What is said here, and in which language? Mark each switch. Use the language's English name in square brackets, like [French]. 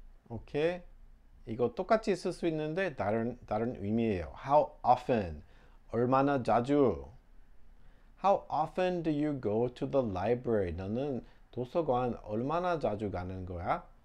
[Korean] Okay, 이거 똑같이 쓸수 있는데 다른 의미예요. [English] How often? [Korean] 얼마나 자주? [English] How often do you go to the library? [Korean] 너는 도서관 얼마나 자주 가는 거야?